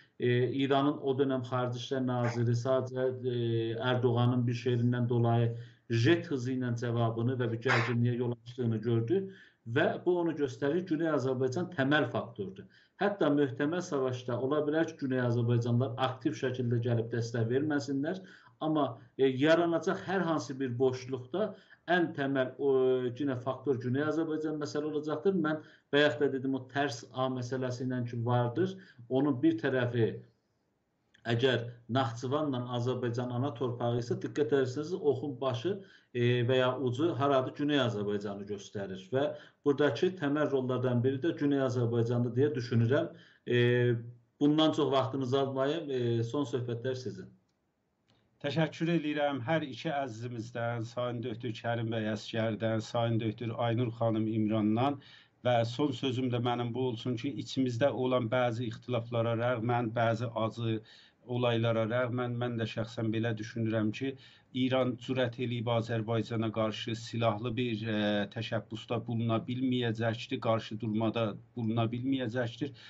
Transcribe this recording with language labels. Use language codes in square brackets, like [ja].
[az] İranın o dönem Xarici İşlər Naziri sadəcə Erdoğanın bir şeirindən dolayı jet hızı ilə cavabını və bir gərginliyə yol açdığını gördü. Və bu onu göstərir, Güney Azərbaycan təməl faktordur. Hətta möhtəməl savaşda ola bilər ki, Güney Azərbaycanlar aktiv şəkildə gəlib dəstək verməsinlər, [tr] Ama yaranacak her hansı bir boşlukta en temel yine faktör Güney Azerbaycan mesele olacaktır. Ben bayağı da dedim o ters A meselesinden çünkü vardır. Onun bir tarafı eğer Naxçıvanla Azerbaycan ana torpağı ise dikkat ederseniz oxun başı veya ucu harada Güney Azerbaycan'ı gösterir. Ve buradaki temel rollardan biri de Güney Azerbaycan'dı diye düşünürüm. [az] Bundan çok vaxtınızı almayayım. Son söhbətler sizin. Təşəkkür edirəm hər iki əzizimizdən, Sayın Döktür Kərim bəy Əsgərdən, Sayın Döktür Aynur xanım İmrandan və son sözüm də mənim bu olsun ki, içimizdə olan bəzi ixtilaflara rəğmən, bəzi acı olaylara rəğmən, mən də şəxsən belə düşünürəm ki, İran cürət eləyib Azərbaycana qarşı silahlı bir təşəbbüsdə bulunma bilməyəcəkdir, qarşı durmada bulunma bilməyəcəkdir.